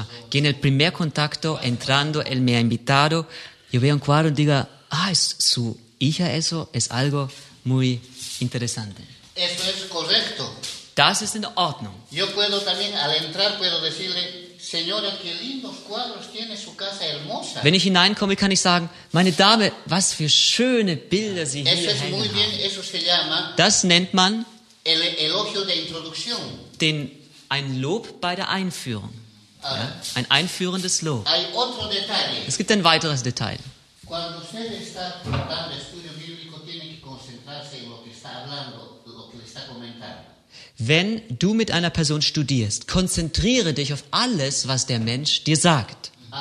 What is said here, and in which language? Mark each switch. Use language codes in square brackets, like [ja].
[es] Que en el primer contacto, entrando, él me ha invitado. Yo veo un cuadro y digo, es su hija, eso es algo muy interesante. Eso es correcto. [de] Das ist in Ordnung. [es] Yo puedo también, al entrar, puedo decirle, señora, qué lindos cuadros tiene su casa hermosa. [de] Wenn ich hineinkomme, kann ich sagen, meine Dame, was für schöne Bilder Sie [es] eso [de] hier hängen [es] muy bien, [de] haben. [es] Eso se llama, [de] das nennt man [es] el elogio de introducción. [de] Ein Lob bei der Einführung. Ja, ein einführendes Lob. [es] Hay otro detalle. [de] Es gibt ein weiteres Detail. [es] Cuando usted está tratando de estudio bíblico, tiene que concentrarse en lo que está hablando, lo que le está comentando. [de] Wenn du mit einer Person studierst, konzentriere dich auf alles, was der Mensch dir sagt.